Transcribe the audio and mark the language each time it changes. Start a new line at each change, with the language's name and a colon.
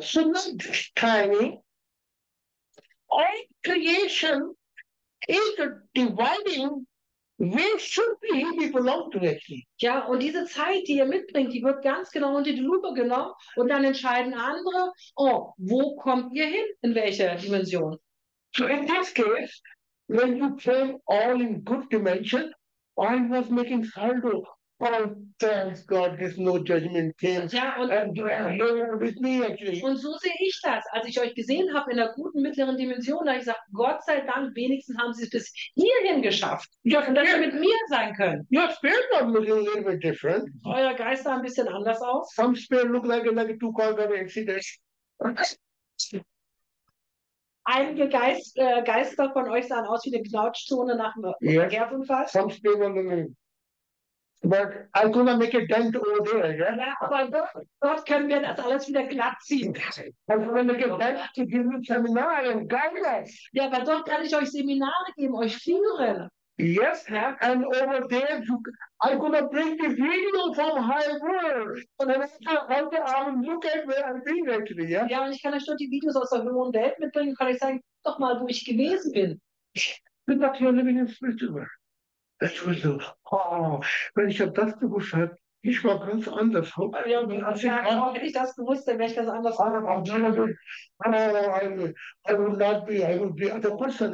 English: So this timing, all creation is dividing. We should be, we belong to it.
German: Ja, und diese Zeit, die ihr mitbringt, die wird ganz genau unter die Lupe genommen und dann entscheiden andere, oh, wo kommt ihr hin, in welcher Dimension?
English: So in this case, when you came all in good dimension, I was making saldo. Oh, thanks God, there's no judgment came.
German: Ja, und so sehe ich das. Als ich euch gesehen habe in der guten mittleren Dimension, da habe ich gesagt, Gott sei Dank, wenigstens haben sie es bis hierhin geschafft.
English: Your
German: und dass ihr mit mir sein könnt.
English: Your spirit are looking a little bit different.
German: Euer Geist sah ein bisschen anders aus.
English: Some spirit look like a two-car accident.
German: Einige Geister von euch sahen aus wie eine Knautschzone nach einem Verkehrsunfall.
English: Some people in. But I'm gonna make a dent over there, yeah?
German: Ja, aber dort können wir das alles wieder glatt ziehen.
English: I'm gonna make a dent to give you seminar and guidelines.
German: Ja, aber dort kann ich euch Seminare geben, euch führen.
English: Yes, and over there, I'm gonna bring the video from high world. And then after I'll look at where I've been actually, yeah?
German: Ja, und ich kann euch dort die Videos aus der hohen Welt mitbringen, kann ich sagen, doch mal, wo ich gewesen bin.
English: But not here living in spiritual world. That was so, oh,
German: wenn ich das gewusst hätte, ich war ganz anders. Ja, wenn ich das gewusst hätte, wäre ich ganz anders.
English: I would be other person.